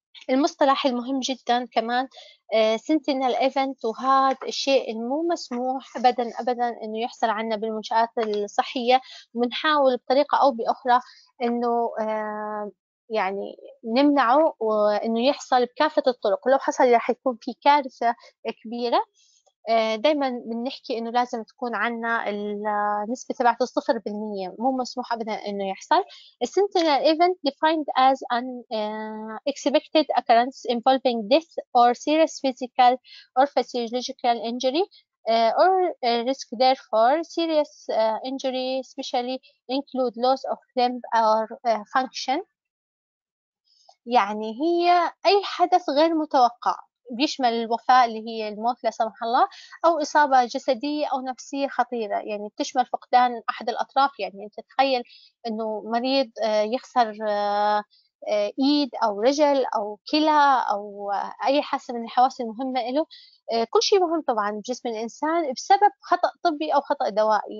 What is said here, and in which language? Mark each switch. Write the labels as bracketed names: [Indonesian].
[Arabic] المصطلح المهم جدا كمان سنتينال ايفنت، وهذا الشيء مو مسموح ابدا ابدا انه يحصل عنا بالمنشآت الصحية، وبنحاول بطريقة او باخرى انه يعني نمنعه وانه يحصل بكافة الطرق، ولو حصل راح يكون في كارثة كبيرة. دايما بنحكي انه لازم تكون عنا النسبة تبعته 0%، مو مسموح ابدا انه يحصل. [English] Sentinel event defined as an expected occurrence involving death or serious physical or physiological injury or risk therefore serious injury especially include loss of limb or function. [Arabic] يعني هي اي حدث غير متوقع بيشمل الوفاة اللي هي الموت لا سمح الله، أو إصابة جسدية أو نفسية خطيرة، يعني بتشمل فقدان أحد الأطراف. يعني أنت تخيل إنه مريض يخسر إيد أو رجل أو كلى أو أي حاسة من الحواس المهمة له، كل شيء مهم طبعا بجسم الإنسان بسبب خطأ طبي أو خطأ دوائي.